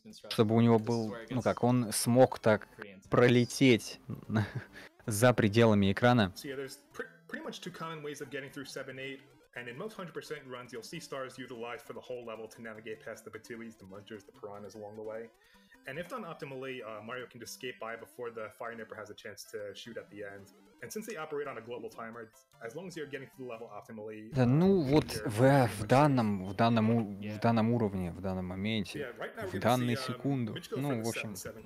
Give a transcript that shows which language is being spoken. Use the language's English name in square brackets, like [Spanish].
[Russian] Чтобы у него был, ну как, он смог так пролететь за пределами экрана. [English] Pretty much two common ways of getting through 7-8, and in most 100% runs, you'll see stars utilized for the whole level to navigate past the Batuis, the Munchers, the Piranhas along the way. And if done optimally, Mario can just skate by before the Fire Nipper has a chance to shoot at the end. And since they operate on a global timer, as long as you're getting through the level optimally... [Russian] Да, ну вот в данном уровне, в данном моменте, в данную секунду, ну, в общем...